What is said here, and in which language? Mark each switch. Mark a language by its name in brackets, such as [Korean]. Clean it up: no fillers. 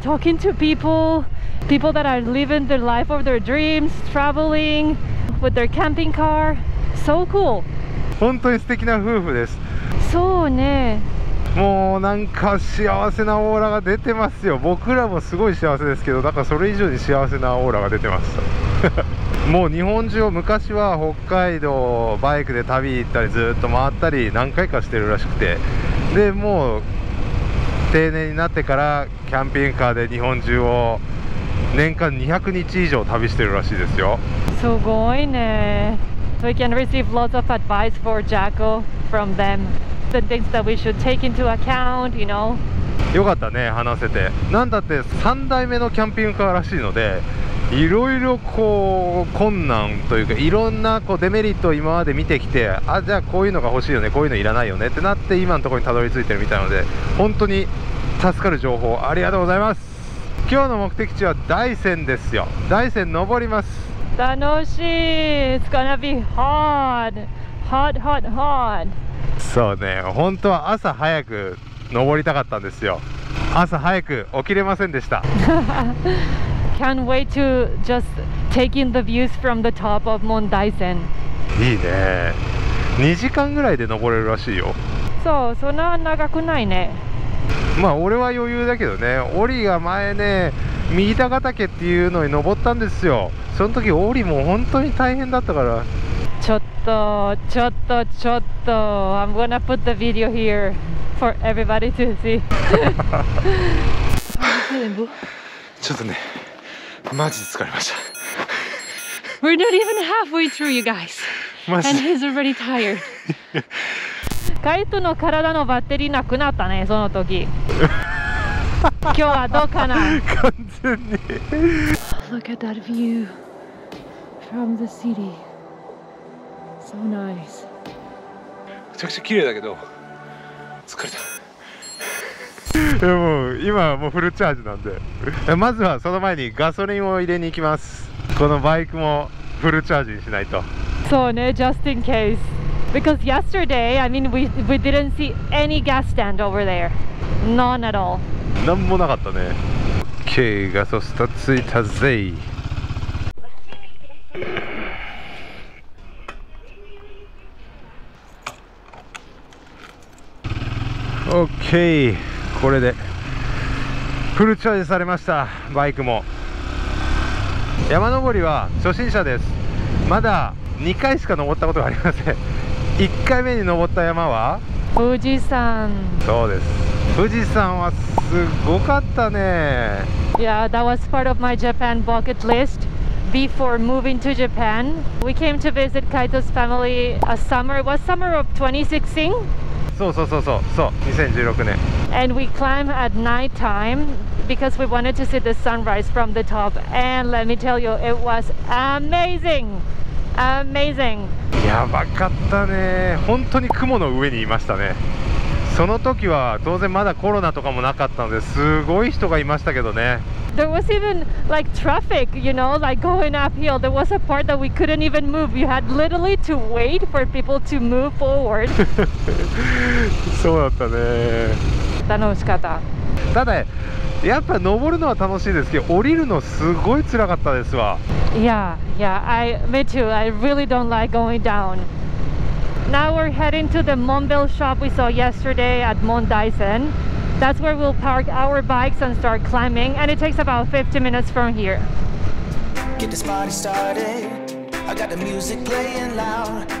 [English] Talking to people that are living their life of their dreams, traveling with their camping car. So cool. [Japanese] 本当に素敵な夫婦です。そうね、もうなんか幸せなオーラが出てますよ。僕らもすごい幸せですけど、だからそれ以上に幸せなオーラが出てますもう日本中を、昔は北海道バイクで旅行ったりずっと回ったり何回かしてるらしくて、でもう定年になってからキャンピングカーで日本中を年間200日以上旅してるらしいですよ。すごいね。 [English] We can receive lots of advice for Jacko from themThe things that we should take into account, you know. [Japanese] よかったね、話せて。なんだって3代目のキャンピングカーらしいので、いろいろこう困難というか、いろんなこうデメリットを今まで見てきて、あ、じゃあこういうのが欲しいよね、こういうのいらないよねってなって今のところにたどり着いてるみたいので、本当に助かる情報ありがとうございます。今日の目的地は大山ですよ。大山登ります。楽しい。 [English] It's gonna be hot. Hot, hot, hot. [Japanese] そうね、本当は朝早く登りたかったんですよ。朝早く起きれませんでした。 [English] Can't wait to just take in the views from the top of Mount Daisen. [Japanese] いいね。 2時間ぐらいで登れるらしいよ。そう、そんな長くないね。まあ俺は余裕だけどね。オリが前ね、右田ヶ岳っていうのに登ったんですよ。その時オリも本当に大変だったから。ちょっと [English] I'm gonna put the video here for everybody to see. [Japanese] ちょっとね、マジ疲れました。 [English] We're not even halfway through, you guys. And he's already tired. [Japanese] カイトの体のバッテリーなくなったね、その時。今日はどうかな。完全に。 [English] Look at that view from the city. So nice. [Japanese] めちゃくちゃ綺麗だけど疲れた。でも今はもうフルチャージなんで、まずはその前にガソリンを入れに行きます。このバイクもフルチャージにしないと。そうね、 [English] just in case because yesterday I mean we didn't see any gas stand over there. None at all. [Japanese] 何もなかったね。 OK、 ガソスタついたぜ。オッケー、これでフルチャージされました。バイクも。山登りは初心者です。まだ2回しか登ったことがありません。 1回目に登った山は富士山。そうです、富士山はすごかったね。 [English] Yeah, that was part of my Japan bucket list before moving to Japan. We came to visit Kaito's family a summer. It was summer of 2016? [Japanese] そう2016年。 [English] And we climb at night time because we wanted to see the sunrise from the top. And let me tell you, it was amazing! Amazing! [Japanese] やばかったね。本当に雲の上にいましたね。その時は当然まだコロナとかもなかったので、すごい人がいましたけどね。 [English] There was even like traffic, you know, like going uphill. There was a part that we couldn't even move. You had literally to wait for people to move forward. [Japanese] そうだったね。楽しかった。ただ、やっぱ登るのは楽しいですけど、降りるのすごい辛かったですわ。 [English] Yeah, yeah, I, me too. I really don't like going down. Now we're heading to the Monbel shop we saw yesterday at Mount Daisen. That's where we'll park our bikes and start climbing, and it takes about 50 minutes from here. Get this party started. I got the music playing loud.